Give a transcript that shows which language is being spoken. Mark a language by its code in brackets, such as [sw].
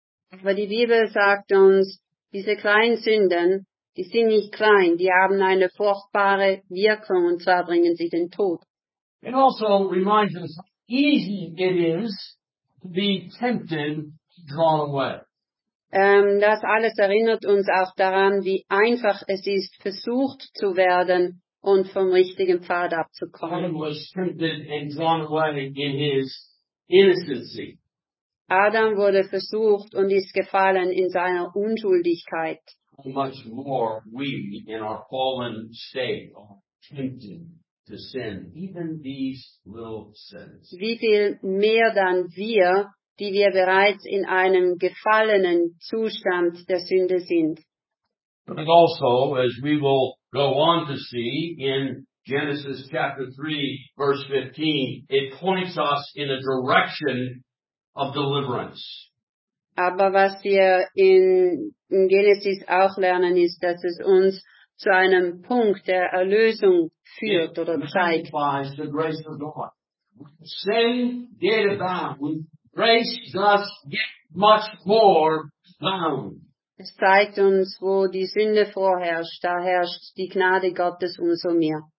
[de] Aber die Bibel sagt uns, diese kleinen Sünden, die sind nicht klein, die haben eine furchtbare Wirkung, und zwar bringen sie den Tod. [en] It also reminds us how easy it is to be tempted, drawn away. [de] Das alles erinnert uns auch daran, wie einfach es ist, versucht zu werden und vom richtigen Pfad abzukommen. [en] Adam was tempted and drawn away in his innocency. [de] Adam wurde versucht und ist gefallen in seiner Unschuldigkeit. [en] How much more we in our fallen state are tempted to sin, even these little sins. [de] Wie viel mehr dann wir, die wir bereits in einem gefallenen Zustand der Sünde sind. [en] But also, as we will go on to see in Genesis chapter 3, verse 15, it points us in a direction of deliverance. [de] Aber was wir in Genesis auch lernen, ist, dass es uns zu einem Punkt der Erlösung führt oder zeigt. [en] The grace of God. Sin did abound. Grace does get much more abound. [de] Es zeigt uns, wo die Sünde vorherrscht, da herrscht die Gnade Gottes umso mehr.